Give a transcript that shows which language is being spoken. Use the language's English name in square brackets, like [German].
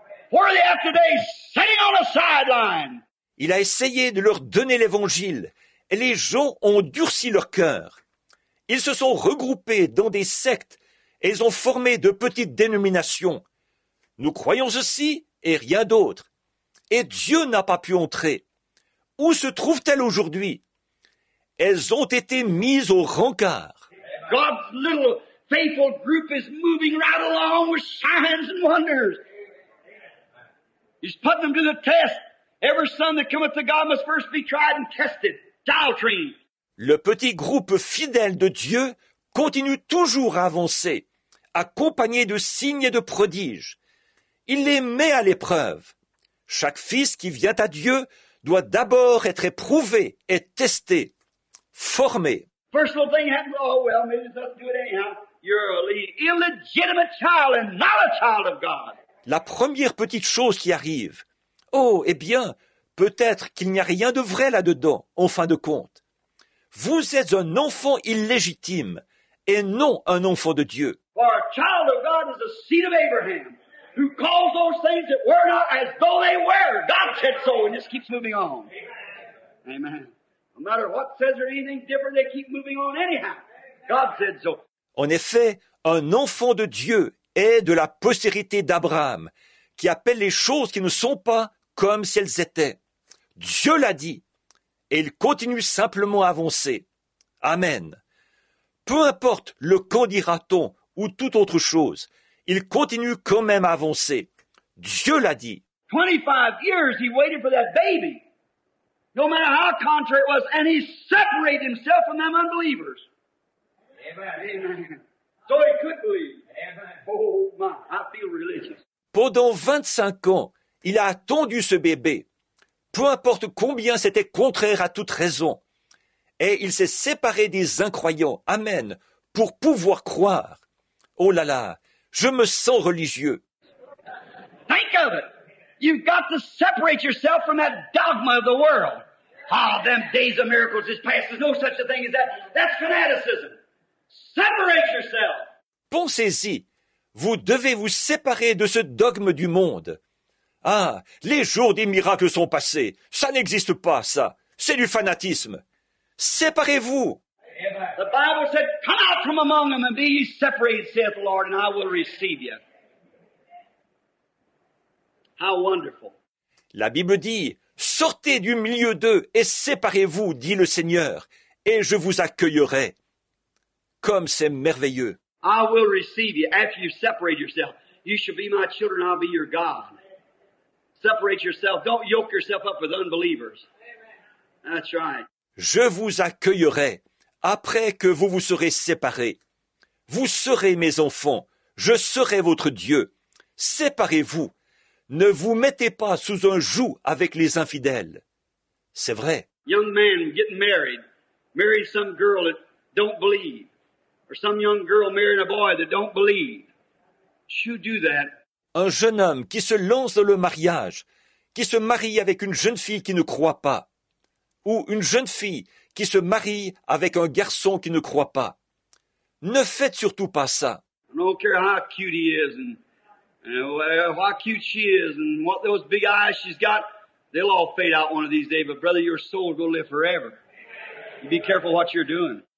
[English] Where are they at today? Sitting on a sideline. [French] Il a essayé de leur donner l'évangile et les gens ont durci leur cœur. Ils se sont regroupés dans des sectes et ils ont formé de petites dénominations. Nous croyons ceci et rien d'autre. Et Dieu n'a pas pu entrer. Où se trouvent-elles aujourd'hui? Elles ont été mises au rencard. [English] God's little faithful group is moving right along with signs and wonders. He's putting them to the test. Every son that cometh to God must first be tried and tested. Doctrine. [French] Le petit groupe fidèle de Dieu continue toujours à avancer, accompagné de signes et de prodiges. Il les met à l'épreuve. Chaque fils qui vient à Dieu doit d'abord être éprouvé et testé, formé. [English] First little thing happened, oh well, maybe it doesn't do it anyhow. You're an illegitimate child and not a child of God. [French] La première petite chose qui arrive, oh, eh bien, peut-être qu'il n'y a rien de vrai là-dedans, en fin de compte. Vous êtes un enfant illégitime et non un enfant de Dieu. [English] For a child of God is the seed of Abraham. Who calls those things that were not as though they were. God said so and just keeps moving on. Amen. No matter what says or anything different, they keep moving on anyhow. God said so. [French] En effet, un enfant de Dieu est de la postérité d'Abraham, qui appelle les choses qui ne sont pas comme si elles étaient. Dieu l'a dit, et il continue simplement à avancer. Amen. Peu importe le qu'en dira-t-on ou toute autre chose, il continue quand même à avancer. Dieu l'a dit. [English] 25 years he waited for that baby. No matter how contrary it was. And he separated himself from them unbelievers. Amen. So he could believe. Amen. Oh my, I feel religious. [French] Pendant 25 ans, il a attendu ce bébé. Peu importe combien c'était contraire à toute raison. Et il s'est séparé des incroyants. Amen. Pour pouvoir croire. Oh là là. Je me sens religieux. [English] Think of it. You've got to separate yourself from that dogma of the world. Ah, them days of miracles is past. There's no such a thing as that. That's fanaticism. Separate yourself. [French] Pensez-y. Vous devez vous séparer de ce dogme du monde. Ah, les jours des miracles sont passés. Ça n'existe pas, ça. C'est du fanatisme. Séparez-vous. [English] The Bible said, come out from among them and be ye separated, saith the Lord, and I will receive you. How wonderful. [French] La Bible dit, sortez du milieu d'eux et séparez-vous, dit le Seigneur, et je vous accueillerai. Comme c'est merveilleux. [English] I will receive you after you separate yourself. You shall be my children, I'll be your God. Separate yourself. Don't yoke yourself up with unbelievers. That's right. [French] Je vous accueillerai. Après que vous vous serez séparés, vous serez mes enfants, je serai votre Dieu. Séparez-vous, ne vous mettez pas sous un joug avec les infidèles. C'est vrai. [English] Young man getting married some girl that don't believe, or some young girl marrying a boy that don't believe. You do that. [French] Un jeune homme qui se lance dans le mariage, qui se marie avec une jeune fille qui ne croit pas, ou une jeune fille qui se marie avec un garçon qui ne croit pas. Ne faites surtout pas ça. [English] I don't care how cute he is and how cute she is and what those big eyes she's got, they'll all fade out one of these days, but brother, your soul will go live forever. Be careful what you're doing.